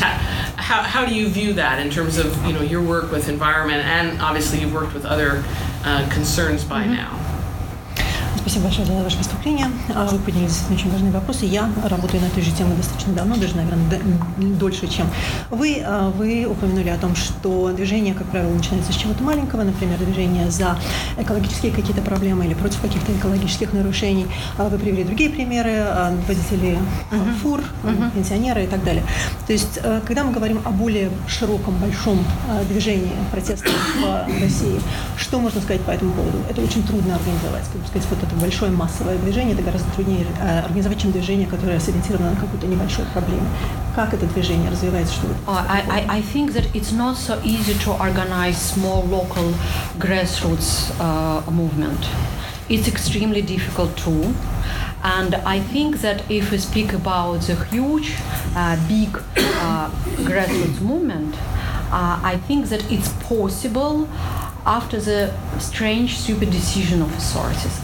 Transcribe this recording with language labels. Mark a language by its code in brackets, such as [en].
[en] How do you view that in terms of, you know, your work with environment, and obviously you've worked with other concerns by now? [ru] Спасибо большое за ваше выступление. Вы подняли здесь очень важные вопросы. Я работаю на этой же теме достаточно давно, даже, наверное, дольше, чем вы. Вы упомянули о том, что движение, как правило, начинается с чего-то маленького, например, движение за экологические какие-то проблемы или против каких-то экологических нарушений. Вы привели другие примеры, водители фур, пенсионеры и так далее. То есть, когда мы говорим о более широком, большом движении протестов в России, что можно сказать по этому поводу? Это очень трудно организовать, как бы сказать, вот это большое массовое движение, это гораздо труднее организовать, чем движение, которое сориентировано на какую-то небольшую проблему. Как это движение развивается? Что [en] I think that it's not so easy to organize small local grassroots movement. It's extremely difficult too. And I think that if we speak about the huge, big grassroots movement, I think that it's possible after the strange, stupid decision of authorities.